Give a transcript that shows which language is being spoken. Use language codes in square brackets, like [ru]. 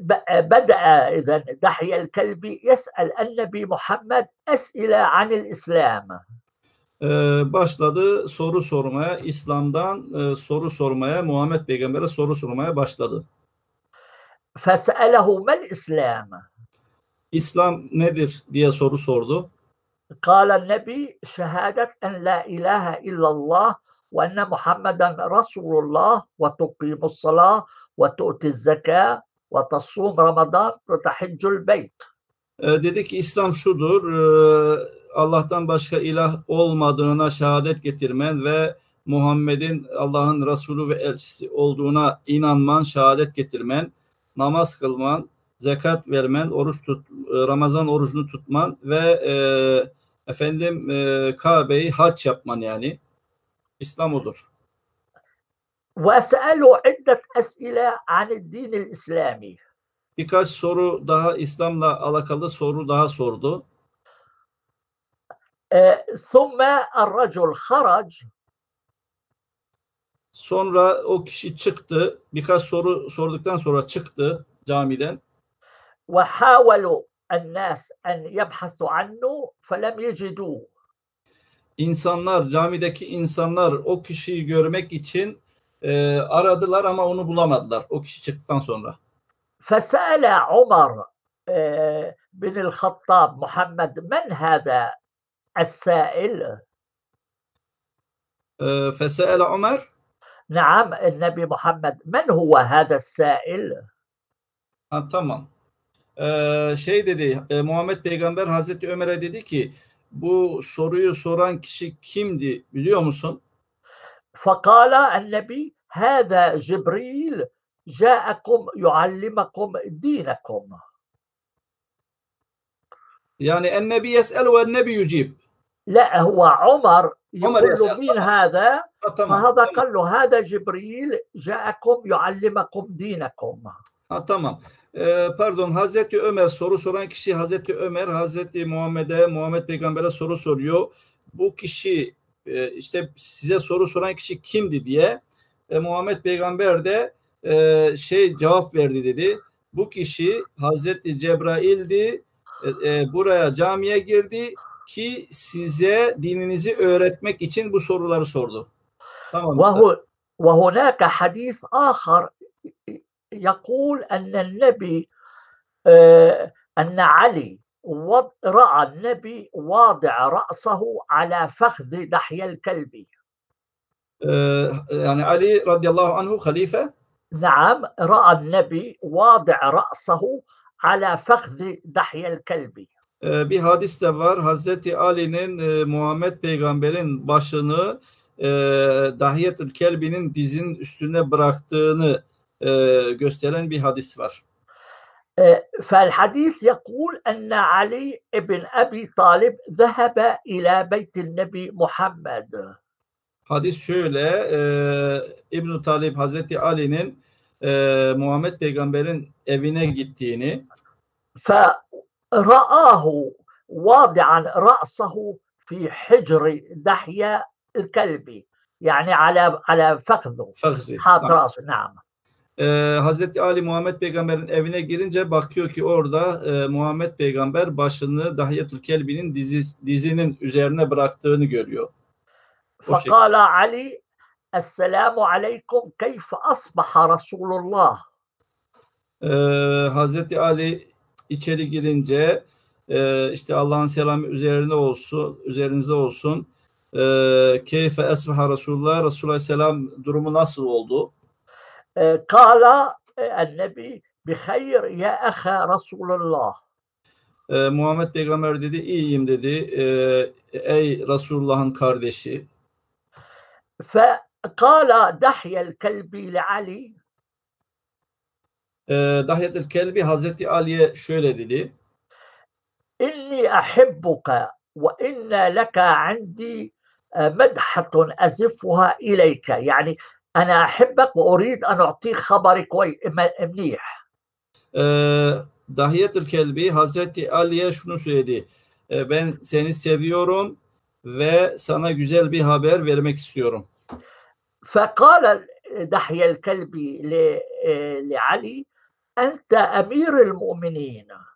[ar] بدأ إذن دحية الكلب يسأل النبي محمد أسئلة عن الإسلام. [tr] Başladı soru sormaya, İslam'dan soru sormaya, Muhammed Peygamber'e soru sormaya başladı. [ar] فسأله ما الإسلام؟ [tr] İslam nedir diye soru sordu. [ar] قال النبي شهادة أن لا إله إلا الله وأن محمدا رسول الله وتقيم الصلاة وتؤتي الزكاة وتصوم رمضان وتحج البيت. [tr] Dedi ki İslam şudur. Allah'tan başka ilah olmadığına şehadet getirmen ve Muhammed'in Allah'ın Resulü ve elçisi olduğuna inanman, şehadet getirmen, namaz kılman, zekat vermen, Ramazan orucunu tutman ve efendim Kabe'yi hac yapman yani İslam odur. [ar] وسأله عدة أسئلة عن الدين الإسلامي. [tr] Birkaç soru daha İslam'la alakalı soru daha sordu. [ar] ثم الرجل خرج. [tr] Sonra o kişi çıktı. Birkaç soru sorduktan sonra çıktı camiden. [ar] وحاولوا الناس أن يبحثوا عنه فلم يجدوه. [tr] İnsanlar, camideki insanlar o kişiyi görmek için aradılar ama onu bulamadılar. O kişi çıktıktan sonra. [ar] فسأل عمر بن الخطاب محمد من هذا السائل؟ فسأل عمر نعم النبي محمد من هو هذا السائل؟ [tr] tamam. Şey dedi Muhammed Peygamber Hazreti Ömer'e dedi ki bu soruyu soran kişi kimdi biliyor musun? [ar] فقال النبي هذا جبريل جاءكم يعلمكم دينكم. Yani ennebi yes'el ve ennebi yücib. لا هو عمر عمر يقول يسأل مين هذا؟ فهذا قال له هذا جبريل جاءكم يعلمكم دينكم. [tr] Tamam. Pardon, Hazreti Ömer soru soran kişi Hazreti Ömer, Hazreti Muhammed'e, Muhammed Peygamber'e soru soruyor. Bu kişi işte size soru soran kişi kimdi diye Muhammed Peygamber de şey cevap verdi dedi. Bu kişi Hazreti Cebrail'di, buraya camiye girdi ki size dininizi öğretmek için bu soruları sordu. Tamam işte. [ar] Ve هناك حديث آخر يقول أن النبي أن علي رأى النبي واضع رأسه على فخذ لحية الكلب. يعني علي رضي الله عنه خليفة. نعم رأى النبي واضع رأسه على فخذ لحية الكلب. [tr] Bir hadis de var. Hazreti Ali'nin Muhammed Peygamber'in başını Dahiyetül Kelbi'nin dizinin üstüne bıraktığını gösteren bir hadis var. [ar] فالحديث يقول أن علي ابن أبي طالب ذهب إلى بيت النبي محمد. [tr] Hadis şöyle, İbn-i Talib Hazreti Ali'nin Muhammed Peygamber'in evine gittiğini. [ar] فرآه واضعا رأسه في حجر دحية الكلب يعني على فخذه حاط رأسه نعم. [tr] Hazreti Ali Muhammed Peygamber'in evine girince bakıyor ki orada Muhammed Peygamber başını Dahiyetül Kelbi'nin dizinin üzerine bıraktığını görüyor. [ar] Fakala Ali, Esselamu Aleykum, keyf asbaha Resulullah? [tr] Hazreti Ali içeri girince işte Allah'ın selamı üzerine olsun, üzerinize olsun. [ar] Keyfe asbaha Resulullah, [tr] Resulullah selam durumu nasıl oldu? [ar] قال النبي بخير يا أخا رسول الله. [tr] Muhammed Peygamber dedi iyiyim dedi ey Resulullah'ın kardeşi. [ar] فقال دحية الكلب لعلي. [tr] دحية الكلب Hazreti Ali'ye şöyle dedi. [ar] إني أحبك وإن لك عندي مدحة أزفها إليك يعني أنا أحبك وأريد أن أعطيك خبر كويس منيح. [tr] Dahiyetül Kelbi Hazreti Ali'ye şunu söyledi. Ben seni seviyorum ve sana güzel bir haber vermek istiyorum. [ar] فقال دحية الكلب لعلي أنت أمير المؤمنين.